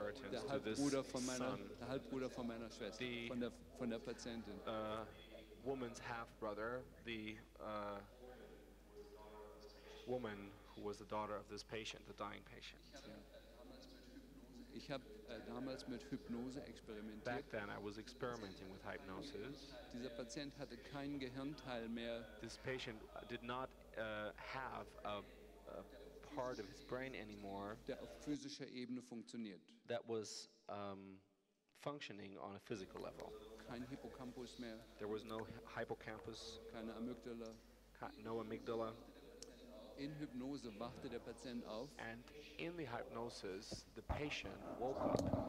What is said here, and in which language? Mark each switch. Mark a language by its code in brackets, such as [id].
[de] Der Halbbruder von meiner Schwester, von der Patientin. [en] woman's half brother, the woman who was the daughter of this patient, the dying patient. [de] Ich habe damals mit Hypnose experimentiert. [en] Back then I was experimenting with hypnosis. [de] Dieser Patient hatte keinen Gehirnteil mehr. [en] This patient did not have a part of his brain anymore. [de] Der auf physischer Ebene funktioniert. [en] That was functioning on a physical level. [de] Kein Hippocampus mehr. [en] There was no hippocampus. [de] Keine Amygdala. [en] No amygdala. [de] In Hypnose wachte der Patient auf. [en] And in the hypnosis, the patient woke up.